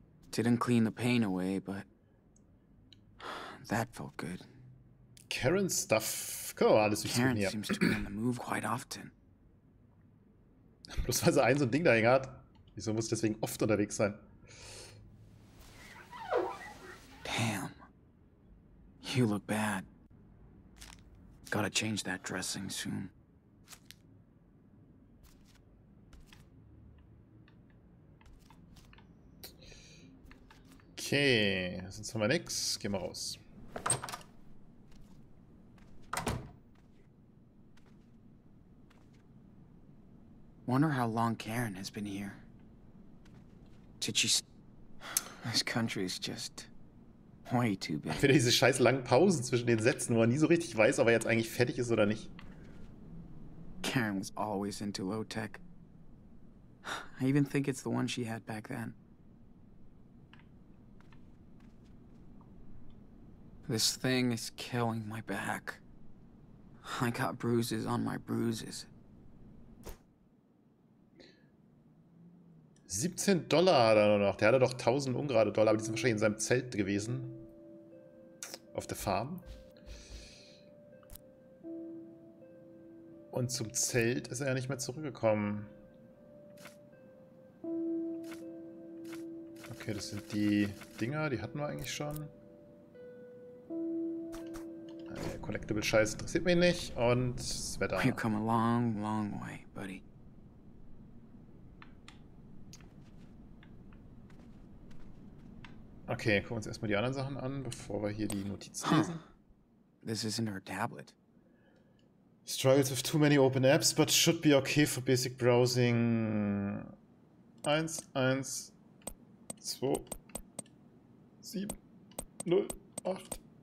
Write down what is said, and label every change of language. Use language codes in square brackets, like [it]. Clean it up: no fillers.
[en] Didn't clean the pain away, but that felt good. Karen's stuff. [de] Können wir mal alles [en] Karen [de] durchsuchen hier. [en] seems to be on the move quite often. [de] Bloß weil sie ein so ein Ding dahin hat. Wieso muss ich deswegen oft unterwegs sein? [en] Damn. You look bad. Gotta change that dressing soon. [de] Okay, sonst haben wir nichts. Gehen wir raus. [en] Wonder how long Karen has been here. Did she? This country is just way too big. [de] Wieder diese scheiß langen Pausen zwischen den Sätzen, wo man nie so richtig weiß, ob er jetzt eigentlich fertig ist oder nicht. [en] Karen was always into low tech. I even think it's the one she had back then. This thing is killing my back. I got bruises on my bruises. [de] $17 hat er noch. Der hatte doch 1000 ungerade Dollar, aber die sind wahrscheinlich in seinem Zelt gewesen. Auf der Farm. Und zum Zelt ist er ja nicht mehr zurückgekommen. Okay, das sind die Dinger, die hatten wir eigentlich schon. Der Collectible-Scheiß interessiert mich nicht und das Wetter. [en] You've come a long, long way, buddy. [de] Okay, gucken wir uns erstmal die anderen Sachen an, bevor wir hier die Notizen lesen. [en] This isn't her tablet. Struggles with too many open apps, but should be okay for basic browsing. 1, 1, 2, 7, 0, 8.